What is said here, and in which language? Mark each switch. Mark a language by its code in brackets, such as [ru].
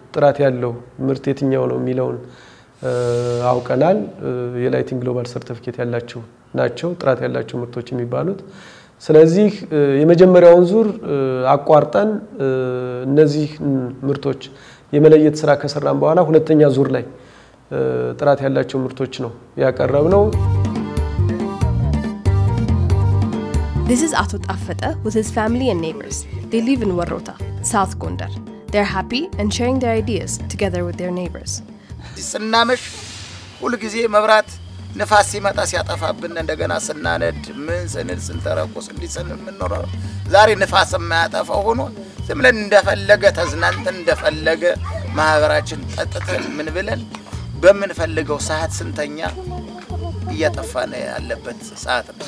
[am] ጥራት ያለው ምርት የትኛው ነው የሚለውን አውቀናል። የላይቲንግ ግሎባል ሰርቲፊኬት ያላቸው ናቸው ጥራት ያላቸው ምርቶች የሚባሉት። ስለዚህ የመጀመሪያውን ዙር አቋርጠን እነዚህ ምርቶች የመለየት ስራ ከሰራን በኋላ ሁለተኛ ዙር ላይ ጥራት ያላቸው ምርቶች ነው ያቀረብነው። [en] This is Atot Afeta with his family and neighbors. They live in Warota, South Gondar. They're happy and sharing their ideas together with their neighbors. [am] ስናመሽ ሁሉ ጊዜ መብራት ንፋስ ሲመጣ ሲያጠፋብን እንደገና ስናነድ ምን ስንል ስንተረቁስ እንዲሰን ምን ኖር ዛሬ ንፋስ ማያጠፋው ሆኖ ዝም ብለን እንደፈለገ ተዝናንተን እንደፈለገ ማህበራችን ጠጥተን ምን ብለን በምንፈልገው ሰዓት ስንተኛ እየጠፋነ ያለበት ሰዓት ነው።